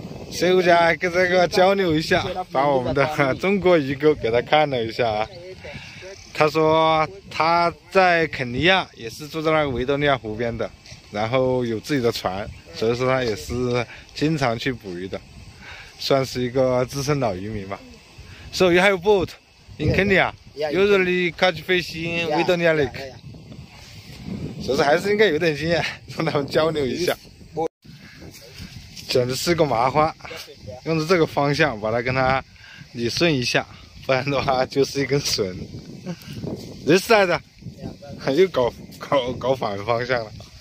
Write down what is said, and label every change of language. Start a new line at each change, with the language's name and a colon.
Chinese: 随后家跟这个交流一下，把我们的中国鱼钩给他看了一下啊。他说他在肯尼亚也是住在那个维多利亚湖边的，然后有自己的船，所以说他也是经常去捕鱼的。算是一个资深老渔民吧。
English: So you have boat in Kenya? Yeah, usually catch fish in Victoria Lake.
Chinese: 所以还是应该有点经验，从他们交流一下。简直是个麻花，用着这个方向把它跟它理顺一下，不然的话就是一根绳。
English: This side
Chinese: 的，又搞反方向了。